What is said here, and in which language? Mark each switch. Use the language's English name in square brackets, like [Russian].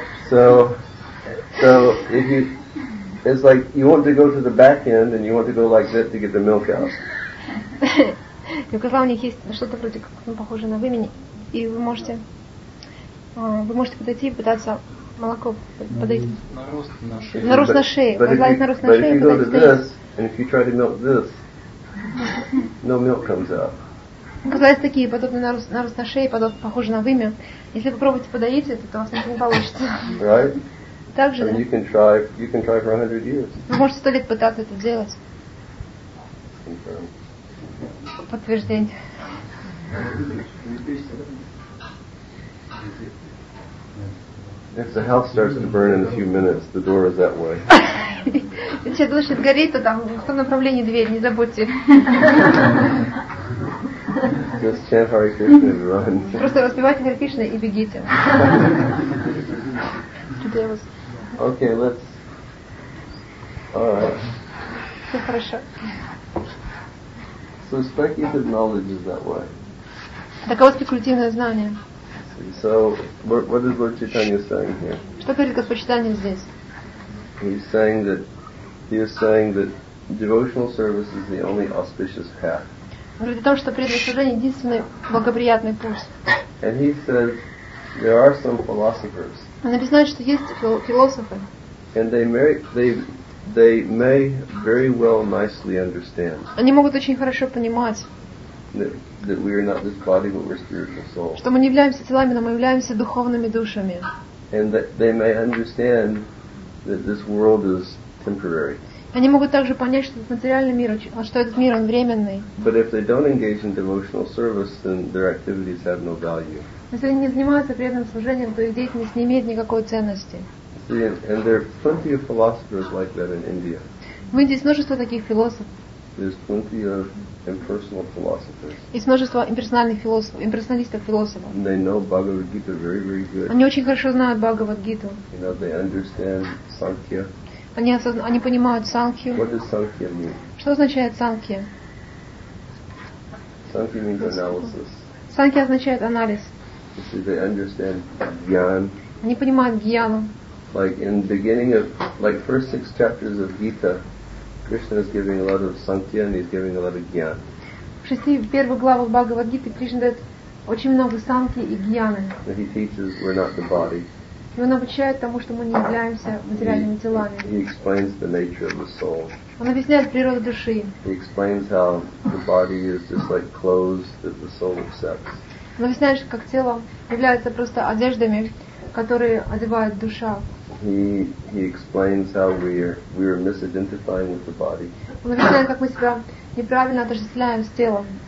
[English] So if you, it's like you want to go to the back end and you want to go like this to get the milk out. [Russian] У козла у них есть что-то вроде как похоже на вымени, и вы можете подойти и пытаться молоко подойти. Нарост на шее. Нарост на шее. [English] But if you go to this and if you try to milk this, no milk comes out. [Russian] Казалось, такие подобные нарост на шее, подобно похоже на вымя. Если попробуете подоить это, то у вас ничего не получится. [English] Right? [Russian] Также. [English] And you can try for 100 years. [Russian] Вы можете 100 лет пытаться это делать. Подтверждение. [English] If the house starts to burn in a few minutes, the door is that way. [Russian] Если это начнет гореть, то там в том направлении дверь, не забудьте. [English] Just chant Hare Krishna and run. [Russian] Просто распевайте Hare Krishna и бегите. [English] Okay, let's [Russian] Все хорошо. [English] So speculative knowledge is that way. [Russian] Таково спекулятивное знание. [English] So, what is Lord Chaitanya saying here? [Russian] Что говорит Господь Читания здесь? [English] He is saying that devotional service is the only auspicious path. [Russian] Он говорит о том, что преданное служение единственный благоприятный путь. [English] And he says there are some philosophers. [Russian] Он объясняет, что есть философы. [English] And they may very well nicely understand. [Russian] Они могут очень хорошо понимать. [English] That we are not this body, but we're spiritual soul. [Russian] Что мы не являемся телами, но мы являемся духовными душами. [English] And that they may understand that this world is temporary. [Russian] Они могут также понять, что этот материальный мир, что этот мир, он временный. [English] But if they don't engage in devotional service, then their activities have no value. [Russian] Если они не занимаются преданным служением, то их деятельность не имеет никакой ценности. [English] See, and there are plenty of philosophers like that in India. [Russian] В Индии множество таких философов. [English] There's plenty of impersonal philosophers. [Russian] Есть множество имперсональных философов, имперсоналистов философов. [English] They know Bhagavad Gita very, very good. [Russian] Они очень хорошо знают Бхагавад Гиту. [English] You know, they understand Sankhya. [Russian] Они понимают Санкхью. [English] What does Sankhya mean? [Russian] Что означает Санкхья? [English] Sankhya means analysis. [Russian] Санкхья означает анализ. [English] You see, they understand Gyan. [Russian] Они понимают Гьяну. [English] Like in beginning of, like first six chapters of Gita. Krishna is giving a lot of sankhya and he's giving a lot of gyan. [Russian] В шести первых главах Бхагавад Гиты Кришна дает очень много санкхи и гьяны. [English] He teaches we're not the body. [Russian] И он обучает тому, что мы не являемся материальными телами. [English] He explains the nature of the soul. [Russian] Он объясняет природу души. [English] He explains how the body is just like clothes that the soul accepts. [Russian] Он объясняет, как тело является просто одеждами, которые одевает душа. [English] He explains how we are misidentifying with the body. [Russian] Он объясняет, как мы себя неправильно отождествляем с телом.